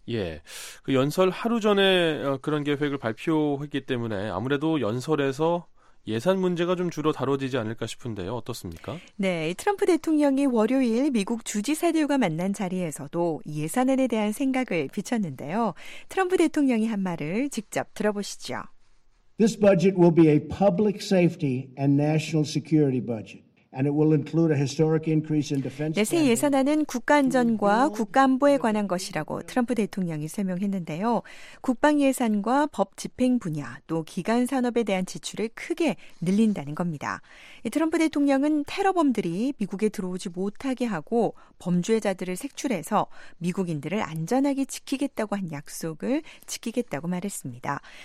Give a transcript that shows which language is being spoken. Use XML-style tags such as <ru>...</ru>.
<ko>예, 그 연설 하루 전에 그런 계획을 발표했기 때문에 아무래도 연설에서 예산 문제가 좀 주로 다뤄지지 않을까 싶은데요. 어떻습니까? 네, 트럼프 대통령이 월요일 미국 주지사들과 만난 자리에서도 예산안에 대한 생각을 비쳤는데요. 트럼프 대통령이 한 말을 직접 들어보시죠.</ko> <en>This budget will be a public safety and national security budget. And it will include a historic increase in defense.</en> <ko>네, 새 예산안은 국가 안전과 국가 안보에 관한 것이라고 트럼프 대통령이 설명했는데요. 국방 예산과 법 집행 분야 또 기간 산업에 대한 지출을 크게 늘린다는 겁니다. 트럼프 대통령은 테러범들이 미국에 들어오지 못하게 하고 범죄자들을 색출해서 미국인들을 안전하게 지키겠다고 한 약속을 지키겠다고 말했습니다.</ko>